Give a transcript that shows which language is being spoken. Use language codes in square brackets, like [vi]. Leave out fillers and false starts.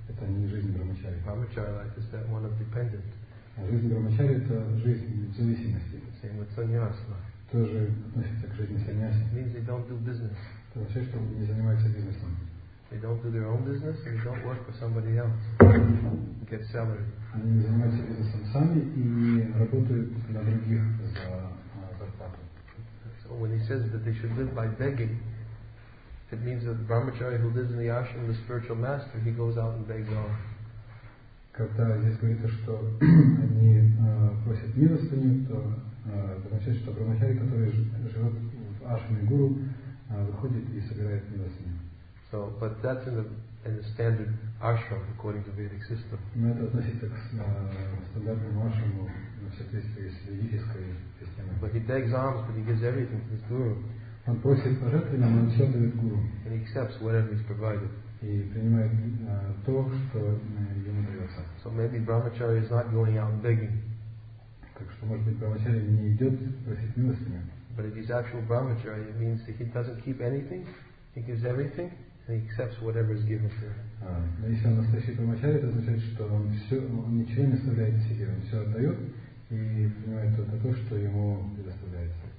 [ru] Это не жизнь брахмачари. [en] Brahmachari life is that one of dependent. [ru] Жизнь брахмачари — это жизнь зависимости. [en] Same with sannyas life. [ru] Тоже относится к жизни sannyas. [en] Means they don't do business. [ru] Это значит, что они не занимаются бизнесом. [en] They don't do their own business and they don't work for somebody else. Get salary. [ru] Они не занимаются бизнесом сами и не работают на других за зарплату. [en] So when he says that they should live by begging, it means that the brahmachari who lives in the ashram of the spiritual master, he goes out and begs on. [ru] Когда здесь говорится, что они просят милостыню, то означает, что брахмачари, который живет в ашраме гуру, выходит и собирает милостыню. [en] So, but that's in the standard ashram according to Vedic system. [ru] Но это относится к стандартному ашраму в соответствии с ведической системой. [en] But he begs alms, but he gives everything to his guru. [ru] Он просит пожертвования, но он все дает гуру. [en] And he accepts whatever he's provided. [ru] И принимает то, что ему дается. [en] So maybe brahmachari is not going out begging. [ru] Так что, может быть, брахмачари не идет просить милостыню. [en] But if he's actual brahmachari, it means that he doesn't keep anything, he gives everything, and he accepts whatever is given to him. [ru] Но если он настоящий брахмачари, это означает, что он ничего не оставляет себе, он все отдает и принимает только то, что ему предоставляется.